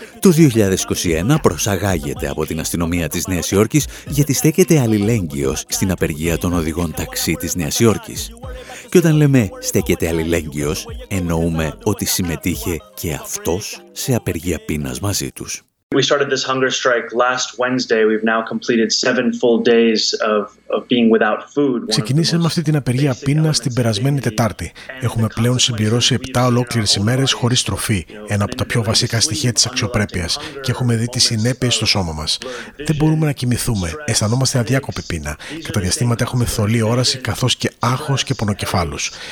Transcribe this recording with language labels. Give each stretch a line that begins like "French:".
Greek: Το 2021 προσαγάγεται από την αστυνομία της Νέας Υόρκης γιατί στέκεται αλληλέγγυος στην απεργία των οδηγών ταξί της Νέας Υόρκης. Και όταν λέμε στέκεται αλληλέγγυος, εννοούμε ότι συμμετείχε και αυτός σε απεργία πείνας μαζί τους.
English: We started this hunger strike last Wednesday. We've now completed 7 full days of being without food.
Greek: Ξεκινήσαμε αυτή την απεργία πείνας την περασμένη Τετάρτη. Έχουμε πλέον συμπληρώσει 7 ολόκληρες ημέρες χωρίς τροφή, ένα από τα πιο βασικά στοιχεία της αξιοπρέπειας, και έχουμε δει τις συνέπειες στο σώμα μας. Δεν μπορούμε να κοιμηθούμε. Αισθανόμαστε αδιάκοπη πείνα. Κατά διαστήματα έχουμε θολή όραση καθώς και άγχος και πονοκεφάλους.